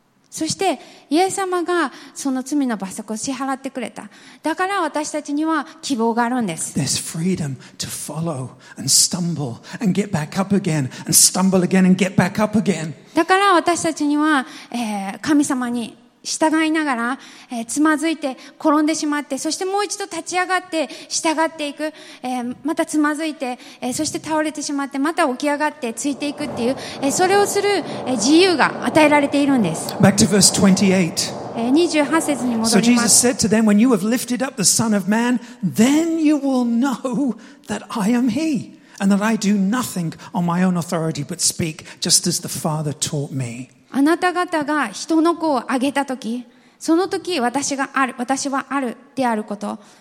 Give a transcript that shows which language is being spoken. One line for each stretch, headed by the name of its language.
Japanese: そしてイエス様がその罪の罰則を支払ってくれた。だから私たちには希望があるんです。
English: There's freedom to follow and stumble and get back up again and stumble again and get back up again.
Japanese: だから私たちには、神様に従いながら、つまずいて転んでしまって、そしてもう一度立ち上がって従っていく、またつまずいて、そして倒れてしまって、また起き上がってついていくっていう、それをする、自由が与えられているんです。
English: Back to verse 28. So Jesus said to them, when you have lifted up the Son of Man, then you will know that I am He, and that I do nothing on my own authority, but speak just as the Father taught me.
Japanese: あなた方が人の子をあげた時、その時私がある、私はあるであること。